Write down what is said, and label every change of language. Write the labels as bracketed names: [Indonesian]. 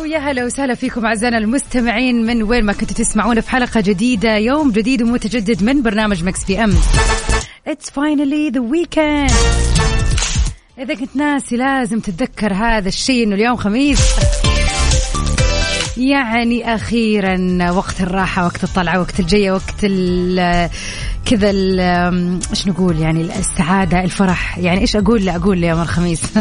[Arabic] هلا وسهلا فيكم أعزائنا المستمعين من وين ما كنتوا تسمعونا في حلقة جديدة يوم جديد ومتجدد من برنامج مكس بي أم. [English] It's finally the weekend. [Arabic] إذا كنت ناسي لازم تتذكر هذا الشيء إنه اليوم خميس. يعني أخيرا وقت الراحة، وقت الطلعة، وقت الجية، وقت ال كذا ال إيش نقول يعني السعادة، الفرح، يعني إيش أقول لأقول يوم الخميس.